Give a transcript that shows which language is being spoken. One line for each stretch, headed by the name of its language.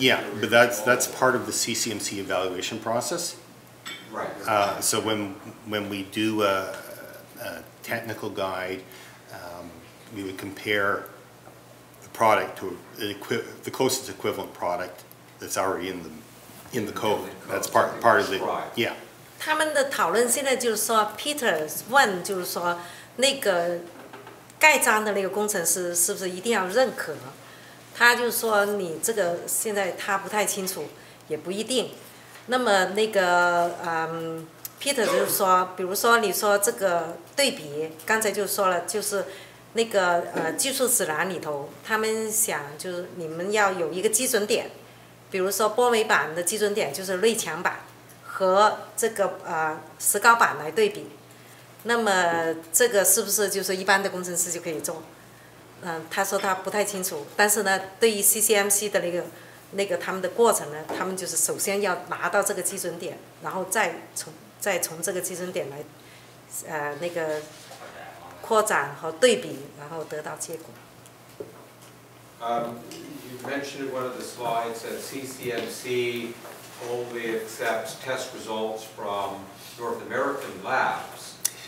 English: Yeah, but that's part of the CCMC evaluation process. Right. So when we do a technical guide, we would compare the product to the closest equivalent product that's already in the code. That's part of the yeah.
Chinese: 他们的讨论现在就是说 ，Peter 问就是说，那个盖章的那个工程师是不是一定要认可？他就说你这个现在他不太清楚，也不一定。那么那个Peter 就是说，比如说你说这个对比，刚才就说了，就是那个技术指南里头，他们想就是你们要有一个基准点，比如说玻璃板的基准点就是内墙板和这个石膏板来对比，那么这个是不是就是一般的工程师就可以做？他说他不太清楚，但是呢，对于 CCMC 的那个他们的过程呢，他们就是首先要拿到这个基准点，然后再从这个基准点来，那个扩展和对比，然后得到结果。
English: You mentioned one of the slides that CCMC only accepts test results from North American labs.